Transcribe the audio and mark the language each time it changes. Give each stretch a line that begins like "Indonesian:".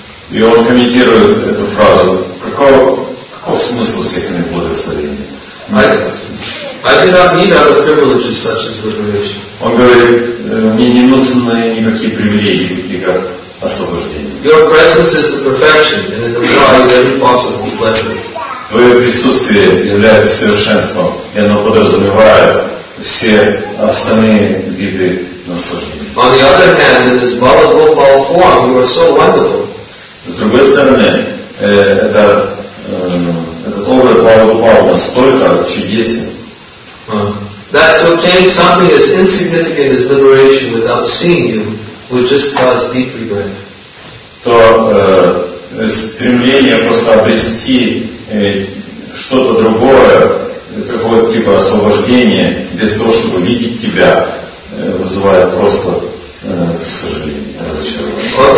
Russian: И он комментирует эту фразу. Каков смысл всех этих благословений?
English: I do not need other privileges such as liberation.
Russian: Он говорит, мне не нужны никакие привилегии, такие как освобождение.
English: Your presence is the perfection, and it implies every possible pleasure.
Russian: Твое присутствие является совершенством, и оно подразумевает все остальные виды наслаждения.
English: On the other hand, in this Balabhopal form, you are so wonderful.
Russian: С другой стороны, этот образ Балабхопал настолько чудесен.
English: That to obtain something as insignificant as liberation without seeing you would just cause deep regret.
Russian: То стремление просто обрести что-то другое, какого-то типа освобождения, без того, чтобы видеть тебя, вызывает просто сожаление, разочарование.